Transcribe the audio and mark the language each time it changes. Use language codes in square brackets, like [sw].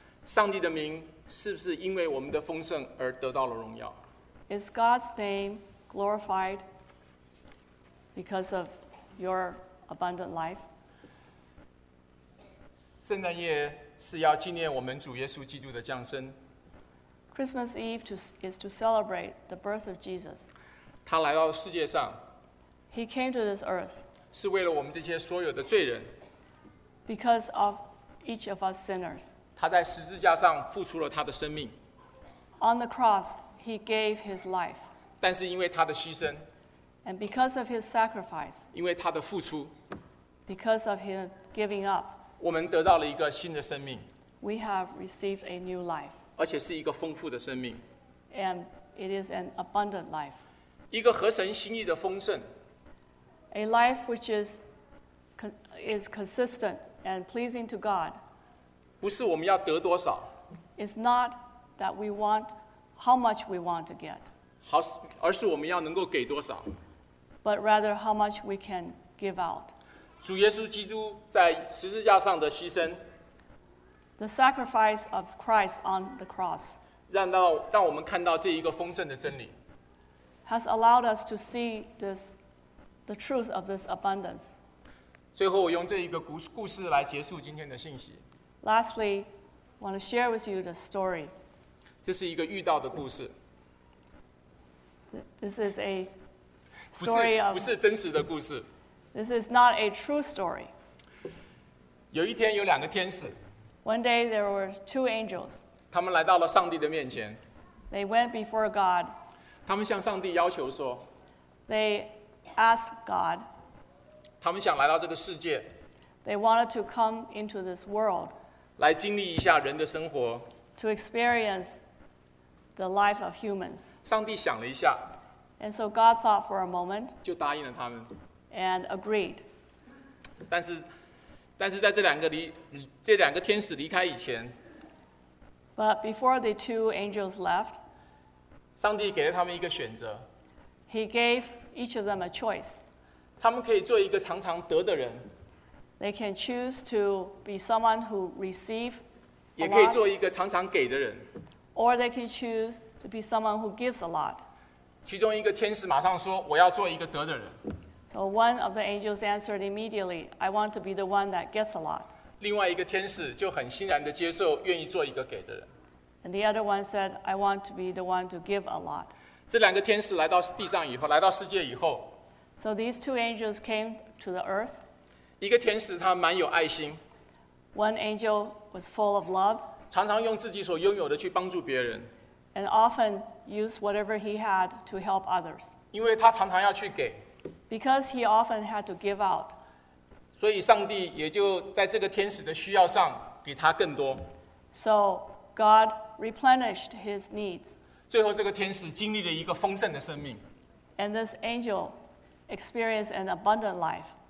[zh] 上帝的名是不是因为我们的丰盛而得到了荣耀？ [en] Is God's name glorified because of your abundant life? [zh] 圣诞夜是要纪念我们主耶稣基督的降生。 [en] Christmas Eve is to celebrate the birth of Jesus. [zh] 他来到世界上。 [en] He came to this earth. [zh] 是为了我们这些所有的罪人。 [en] Because of each of us sinners. [zh] 他在十字架上付出了他的生命。 [en] On the cross, he gave his life. [zh] 但是因为他的牺牲。 [en] And because of his sacrifice. [zh] 因为他的付出。 [en] Because of him giving up. [zh] 我们得到了一个新的生命。 [en] We have received a new life. [zh] 而且是一个丰富的生命。 [en] And it is an abundant life. [zh] 一个合神心意的丰盛。 [en] A life which is consistent and pleasing to God. [zh] 不是我们要得多少。 [en] It's not that we want how much we want to get. [zh] 好，而是我们要能够给多少。 [en] But rather how much we can give out. [zh] 主耶稣基督在十字架上的牺牲。 [en] The sacrifice of Christ on the cross. [zh] 让我们看到这一个丰盛的真理。 [en] Has allowed us to see this. The truth of this abundance. [zh] 最后，我用这一个故事来结束今天的信息。 [en] Lastly, I want to share with you the story. [zh] 这是一个遇到的故事。 [en] This is a story of. [zh] 不是真实的故事。 [en] This is not a true story. [zh] 有一天，有两个天使。 [en] One day there were two angels. [zh] 他们来到了上帝的面前。 [en] They went before God. [zh] 他们向上帝要求说。 [en] They asked God. [zh] 他们想来到这个世界。 [en] They wanted to come into this world. [zh] 来经历一下人的生活。 [en] To experience the life of humans. [zh] 上帝想了一下。 [en] And so God thought for a moment. [zh] 就答应了他们。 [en] and agreed. [zh] 但是在这两个天使离开以前， [en] but before the two angels left, [zh] 上帝给了他们一个选择。 [en] He gave each of them a choice. [zh] 他们可以做一个常常得的人。 [en] They can choose to be someone who receives. [zh] 也可以做一个常常给的人。 [en] Or they can choose to be someone who gives a lot. [zh] 其中一个天使马上说：“我要做一个得的人。” [en] So one of the angels answered immediately, "I want to be the one that gets a lot." [zh] 另外一个天使就很欣然地接受，愿意做一个给的人。 [en] And the other one said, "I want to be the one to give a lot." [zh] 这两个天使来到地上以后，来到世界以后。 [en] So these two angels came to the earth. [zh] 一个天使他蛮有爱心。 [en] One angel was full of love. [zh] 常常用自己所拥有的去帮助别人。 [en] And often used whatever he had to help others. [zh] 因为他常常要去给。 [en] Because he often had to give out. [zh] 所以上帝也就在这个天使的需要上给他更多。 [en] So God replenished his needs. [zh] 最后这个天使经历了一个丰盛的生命。 [en] And this angel experienced an abundant life.